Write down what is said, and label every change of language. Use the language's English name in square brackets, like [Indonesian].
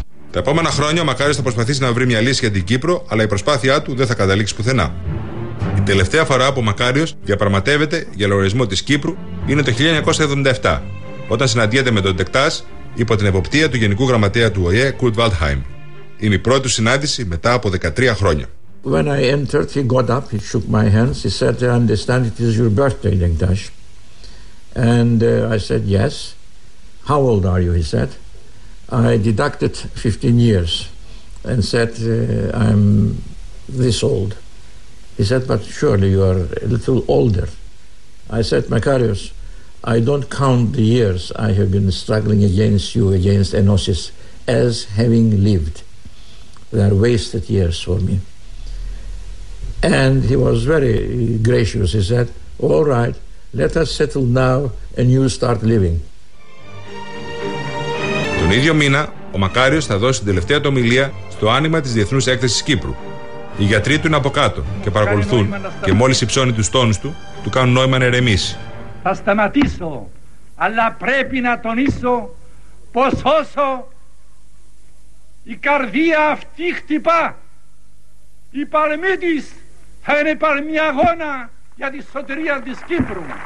[Greek] Τα επόμενα χρόνια ο Μακάριος θα προσπαθήσει να βρει μια λύση για την Κύπρο, αλλά η προσπάθειά του δεν θα καταλήξει πουθενά. Η τελευταία φορά που ο Μακάριος διαπραγματεύεται για λογαριασμό της Κύπρου είναι το 1977, όταν συναντιέται με τον Τεκτάς υπό την εποπτεία του Γενικού Γραμματέα του ΟΗΕ, Κουρτ Βάλτχαϊμ. Είναι η πρώτη συνάντηση μετά από 13 χρόνια. [English] When I entered, he got up, he shook my hands, he said, I understand it is your birthday, Denktash. And I said, yes. How old are you, he said. I deducted 15 years and said, I'm this old. He said, but surely you are a little older. I said, Makarios, I don't count the years I have been struggling against you, against Enosis, as having lived. They are wasted years for me. And he was very gracious. He said, all right, let us settle now and you start living. [Greek] Τον ίδιο μήνα, ο Μακάριος θα δώσει την τελευταία του ομιλία στο άνοιγμα της Διεθνούς Έκθεσης Κύπρου. Οι γιατροί του είναι από κάτω και παρακολουθούν και μόλις υψώνει τους τόνους του, του κάνουν νόημα να ηρεμήσει. Θα σταματήσω, αλλά πρέπει να τονίσω πως όσο η καρδία αυτή χτυπά, η παλμή της θα είναι παλμή αγώνα για τη σωτηρία της Κύπρου.